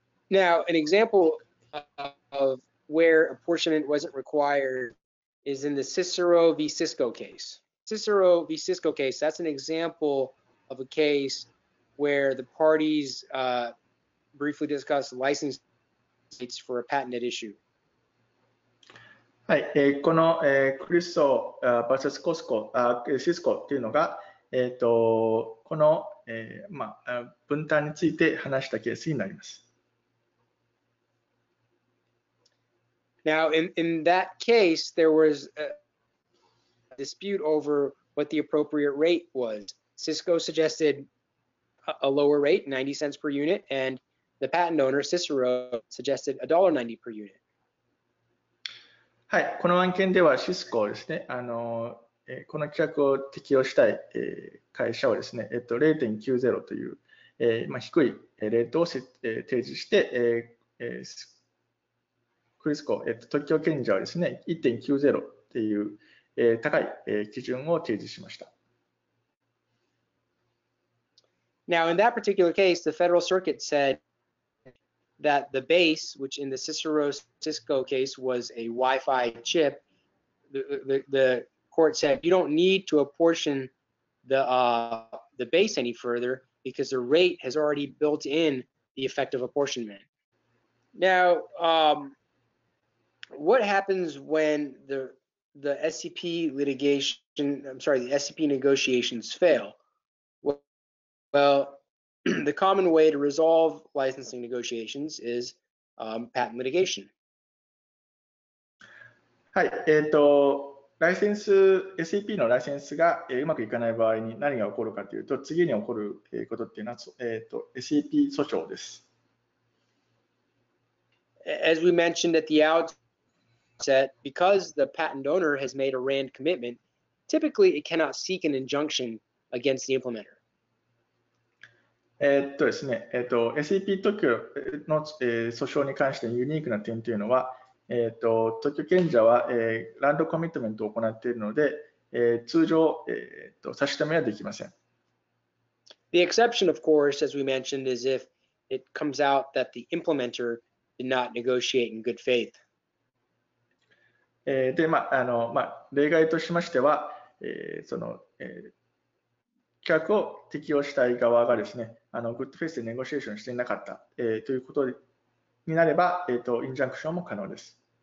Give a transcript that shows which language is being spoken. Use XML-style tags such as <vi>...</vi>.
<en>Now, an example of where apportionment wasn't required is in the Cicero v. Cisco case. Cicero v. Cisco case, that's an example of a case where the parties briefly discussed license rights for a patented issue.</en> <ja>はい、この、クリストバーサスコスコ、シスコというのが、この、分担について話したケースになります。</ja> <en>Now, in that case, there was a dispute over what the appropriate rate was. Cisco suggested a lower rate, 90 cents per unit, and the patent owner, Cicero, suggested $1.90 per unit.</en> <ja>はい、この案件ではシスコですね、この規約を適用したい会社はですね、0.90 という、低いレートを提示して、クリスコ、特許権者はですね、1.90 という、高い基準を提示しました。</ja> <en>Now, in that particular case, the Federal Circuit said,that the base, which in the Cicero Cisco case was a Wi-Fi chip, the court said you don't need to apportion the base any further because the rate has already built in the effect of apportionment. Now, what happens when the SCP litigation, I'm sorry, the SCP negotiations fail? Well,The common way to resolve licensing negotiations is patent litigation.</en> <ja>はい、ライセンス、SCP のライセンスが、うまくいかない場合に何が起こるかというと、次に起こる、ことっていうのは、SCP 訴訟です。</ja> <en>As we mentioned at the outset, because the patent owner has made a RAND commitment, typically it cannot seek an injunction against the implementer.</en> <ja>ですね、SCP 特許の、訴訟に関してのユニークな点というのは、特許権者は、ランドコミットメントを行っているので、通常、差し止めはできません。</ja> <en>The exception, of course, as we mentioned, is if it comes out that the implementer did not negotiate in good faith.</en> <ja>で、例外としましては、企画を適用したい側がですね、グッドフェイスでネゴシエーションしていなかった、ということになれば、インジャンクションも可能です。</ja>